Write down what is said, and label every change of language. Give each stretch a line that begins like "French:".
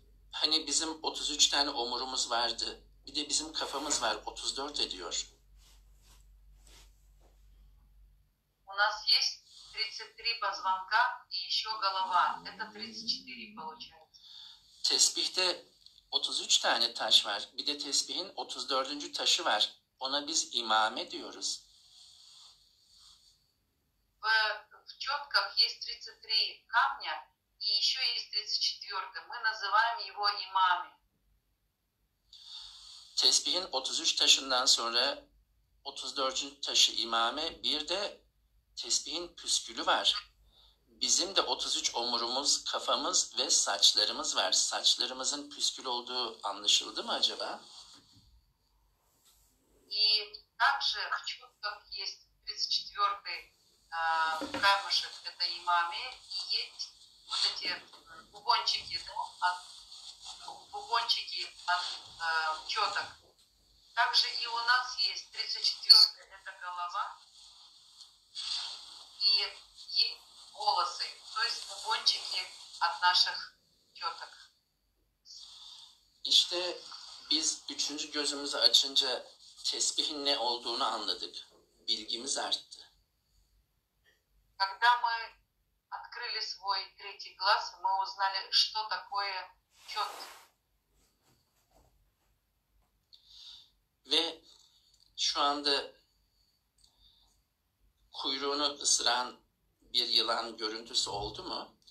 Turkish: Hani bizim 33 tane omurumuz vardı. Bir de bizim kafamız var. 34 ediyor.
Russian: У нас есть 33 позвонка и еще голова. Это 34 получается.
Turkish: Tesbihte 33 tane taş var. Bir de tesbihin 34. taşı var. Ona biz imame diyoruz.
Russian: В четках есть 33 камня. И еще есть 34-й. Мы называем его имами.
Turkish: Tesbihin 33 taşından sonra 34. taşı imame, bir de tesbihin püskülü var. Bizim de 33 omurumuz, kafamız ve saçlarımız var. Saçlarımızın püskül olduğu anlaşıldı mı acaba?
Russian: И также в четках есть 34-й камушек, это имами, и есть вот эти бубончики, да, бубончики от четок. Также и у нас есть 34-й, это голова и волосы, то есть бубончики от наших четок.
Turkish: İşte biz üçüncü gözümüzü açınca tesbihin ne olduğunu anladık. Bilgimiz arttı.
Russian: Когда мы открыли свой третий глаз, мы узнали, что такое чёт.
Turkish: Ve şu anda kuyruğunu ısıran bir yılan görüntüsü oldu mu?